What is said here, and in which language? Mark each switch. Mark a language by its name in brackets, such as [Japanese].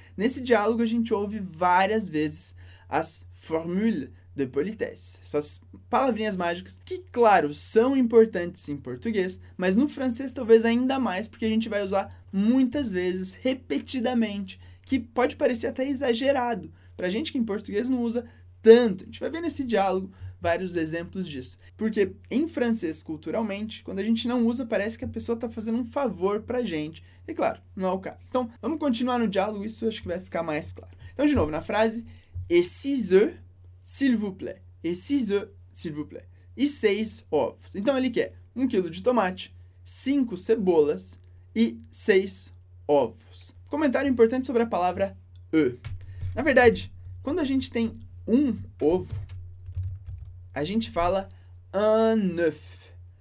[Portuguese] Nesse diálogo a gente ouve várias vezes as formules de politesse, essas palavrinhas mágicas que, claro, são importantes em português, mas no francês talvez ainda mais, porque a gente vai usar muitas vezes, repetidamente, que pode parecer até exagerado pra gente que em português não usa tanto. A gente vai ver nesse diálogo vários exemplos disso. Porque em francês, culturalmente, quando a gente não usa, parece que a pessoa tá fazendo um favor pra gente. E claro, não é o caso. Então, vamos continuar no diálogo, isso acho que vai ficar mais claro. Então, de novo, na frase, [French] et six œufs, s'il vous plaît. Et six œufs, s'il vous plaît. [Portuguese] E seis ovos. Então ele quer 1 quilo de tomate, 5 cebolas e 6 ovos. Comentário importante sobre a palavra e. Na verdade, quando a gente tem um ovo, a gente fala un œuf.